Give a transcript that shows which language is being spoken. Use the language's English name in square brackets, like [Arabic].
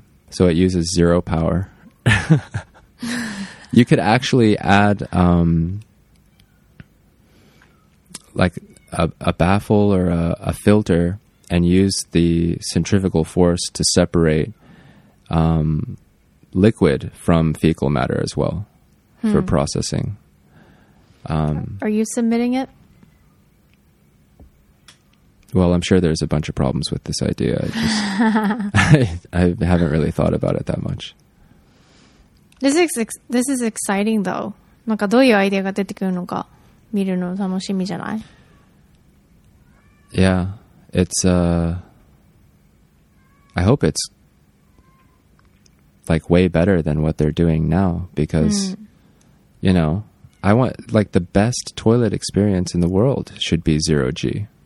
[English] So it uses zero power. You could actually add like a baffle or a filter and use the centrifugal force to separate liquid from fecal matter as well for processing. Are you submitting it? Well, I'm sure there's a bunch of problems with this idea. I haven't really thought about it that much. This is exciting, though. [Japanese] なんかどういうアイデアが出てくるのか見るの楽しみじゃない? [English] Yeah, it's I hope it's like way better than what they're doing now, because you know, I want like the best toilet experience in the world should be zero G.